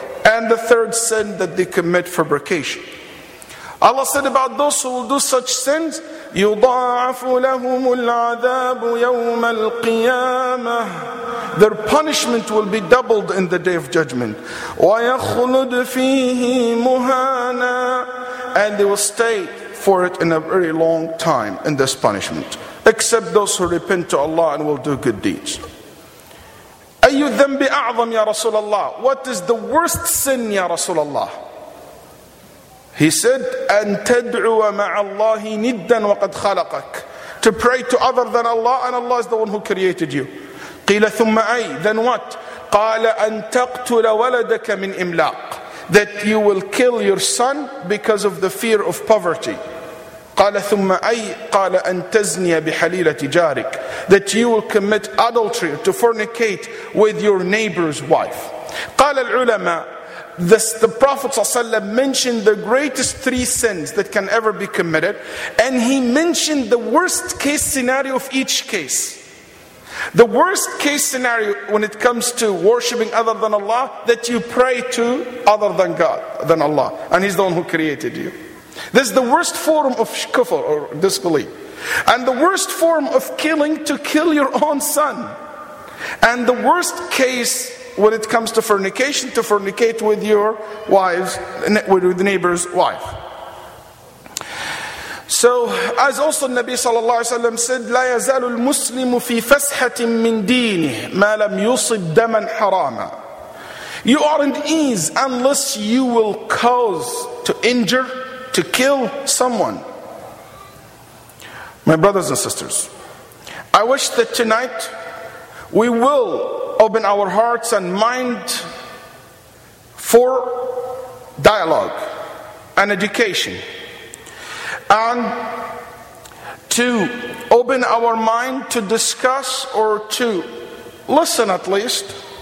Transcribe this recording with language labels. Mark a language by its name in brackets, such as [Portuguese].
[English] And the third sin that they commit, fabrication. Allah said about those who will do such sins, [Arabic] يُضَاعَفُ لَهُمُ الْعَذَابُ يَوْمَ الْقِيَامَةِ [English] Their punishment will be doubled in the Day of Judgment. [Arabic] وَيَخْلُدْ فِيهِ مُهَانًا [English] And they will stay for it in a very long time in this punishment. Except those who repent to Allah and will do good deeds. [Arabic] أَيُّ ذَنْبِ أَعْظَمْ يَا رَسُولَ اللَّهِ [English] What is the worst sin, [Arabic] يَا رَسُولَ اللَّهِ [English] He said, [Arabic] "أن تدعو مع الله ندا وقد خلقك." [English] To pray to other than Allah, and Allah is the one who created you. [Arabic] قيل ثم أي? [English] Then what? [Arabic] قال أن تقتل ولدك من إملاق. [English] That you will kill your son because of the fear of poverty. [Arabic] قال ثم أي? قال أن تزني بحليلة جارك. [English] That you will commit adultery to fornicate with your neighbor's wife. [Arabic] قال العلماء. [English] The Prophet ﷺ mentioned the greatest three sins that can ever be committed. And he mentioned the worst case scenario of each case. The worst case scenario when it comes to worshipping other than Allah, that you pray to other than God, than Allah. And He's the one who created you. This is the worst form of kufr or disbelief. And the worst form of killing, to kill your own son. And the worst case when it comes to fornication, to fornicate with your wife's, with the neighbor's wife. So, as also Nabi sallallahu alaihi wasallam said, [Arabic] لا يزال المسلم في فسحة من دينه ما لم يصب دما حراما. [English] You are in ease unless you will cause to injure, to kill someone. My brothers and sisters, I wish that tonight we will open our hearts and mind for dialogue and education, and to open our mind to discuss or to listen at least